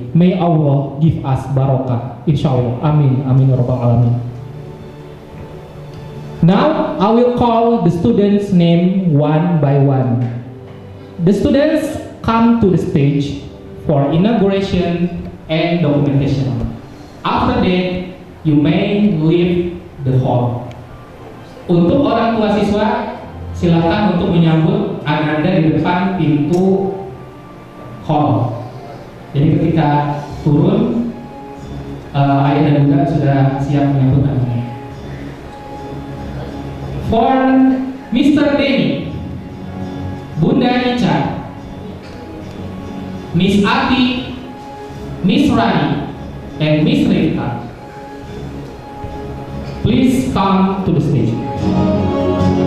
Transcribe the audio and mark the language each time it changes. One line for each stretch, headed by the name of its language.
English: May Allah give us barakah. Insyaallah. Amin. Amin ya rabbal alamin. Now I will call the students' name one by one. The students come to the stage for inauguration and documentation. After that, you may leave the hall.
Indonesian: Untuk orang tua siswa, silakan untuk menyambut ananda di depan pintu hall. Jadi ketika turun, ayah dan bunda sudah siap menyambut ananda.
English: For Mr. Denny, Bunda Ica, Miss Ati, Miss Rani, and Miss Rita, please come to the stage.